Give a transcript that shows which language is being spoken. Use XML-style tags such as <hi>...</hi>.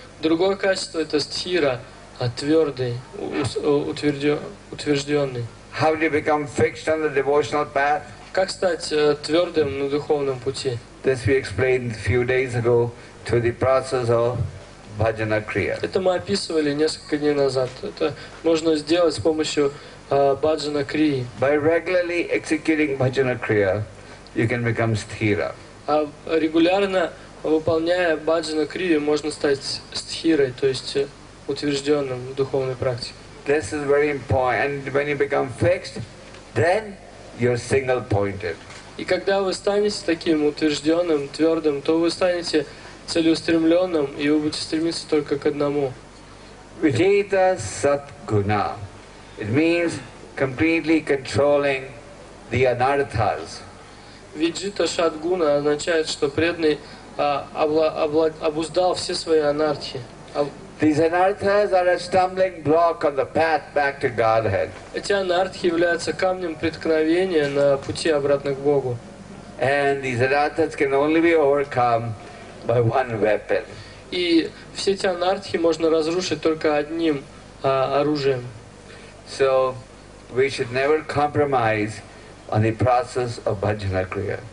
<ru>Другое качество это sthira, твердый, утвержденный.</ru> <en>How do you become fixed on the devotional path?</en> <ru>Как стать твердым на духовном пути?</ru> <en>This we explained a few days ago. To the process of bhajana kriya.</en> <ru>Это мы описывали несколько дней назад. Это можно сделать с помощью bhajana kriya.</ru> <en>By regularly executing bhajana kriya, you can become sthira.</en> <ru>А регулярно выполняя bhajana kriya, можно стать sthirой, то есть утвержденным в духовной практике.</ru> <en>This is very important. And when you become fixed, then you're single-pointed.</en> <ru>И когда вы станете таким утвержденным, твердым, то вы станете целеустремленным, и вы будете стремиться только к одному.</ru> <en>Vijita Satguna. It means completely controlling the anarthas.</en> <ru>Vijita Satguna означает, что преданный обуздал все свои анархи.</ru> <en>These anarthas are a stumbling block on the path back to Godhead.</en> <ru>Эти анархи являются камнем преткновения на пути обратно к Богу.</ru> <en>And these anarthas can only be overcome by one weapon.</en> <ru>И все эти анархи можно разрушить только одним оружием.</ru> <en>So we should never compromise on the process of bhajana kriya.</en>